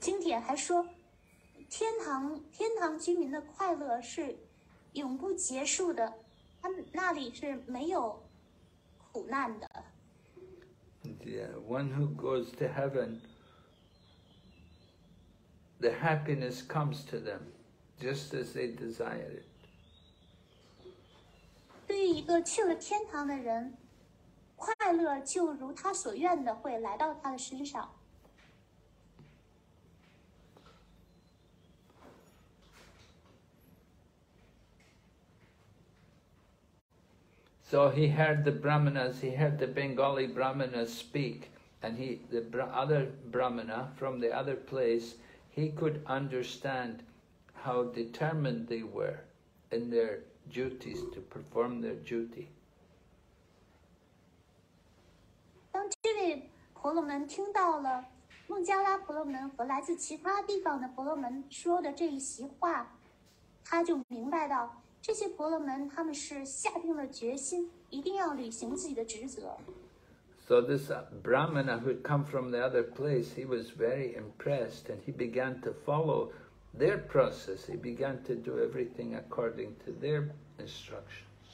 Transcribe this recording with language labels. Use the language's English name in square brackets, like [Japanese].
[Chinese] 经典还说天堂居民的快乐是永不结束的，他们那里是没有苦难的。 [English] Yeah, one who goes to heaven, the happiness comes to them, just as they desire it. [Chinese] 对于一个去了天堂的人，快乐就如他所愿的会来到他的身上。 [English] So he heard the Brahmanas, he heard the Bengali Brahmanas speak, and the other Brahmana from the other place, he could understand how determined they were in their duties, to perform their duty. [Chinese] 当这位婆罗门听到了孟加拉婆罗门和来自其他地方的婆罗门说的这一席话，他就明白到这些婆罗门他们是下定了决心一定要履行自己的职责。 [English] So this Brahmana who had come from the other place, he was very impressed and he began to follow their process. He began to do everything according to their instructions.